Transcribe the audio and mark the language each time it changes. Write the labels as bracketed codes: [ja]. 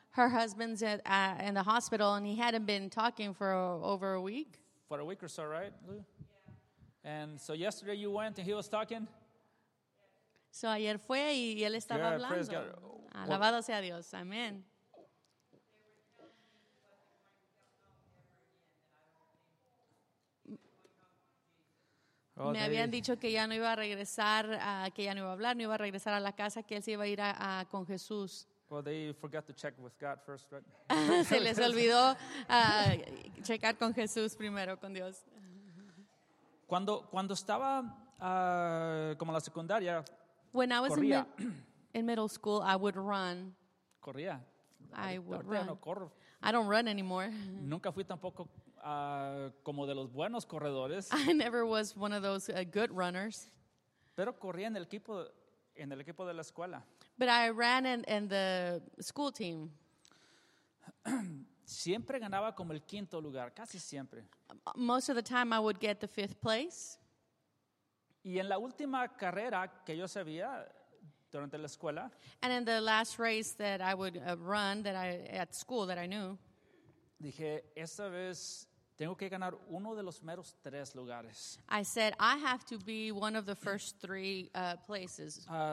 [en] Her husband's in the hospital and he hadn't been talking for over a week. For a week or so, right? And so yesterday you went and he was talking. [es] So ayer fue y él estaba hablando. Alabado sea Dios. Amén. Me habían dicho que ya no iba a regresar, que ya no iba a hablar, no iba a regresar a la casa, que él se iba a ir a con Jesús. [en] Well, they forgot to check with God first, right? [es] Se les olvidó checar con Jesús primero, con Dios. Cuando estaba como la secundaria, [en] when I was [es] corría. [en] In middle school, I would run. [es] Corría. [en] I would run. [es] No corro. [en] I don't run anymore. [es] Nunca fui tampoco como de los buenos corredores. [en] I never was one of those good runners. [es] Pero corría en el equipo de la escuela. [en] But I ran in the school team. [es] Siempre ganaba como el quinto lugar, casi siempre. [en] Most of the time I would get the fifth place. [es] Y en la última carrera que yo sabía durante la escuela. [en] And in the last race that I would run that I at school that I knew. [es] Dije, esta vez tengo que ganar uno de los meros tres lugares. [en] I said, I have to be one of the first three places.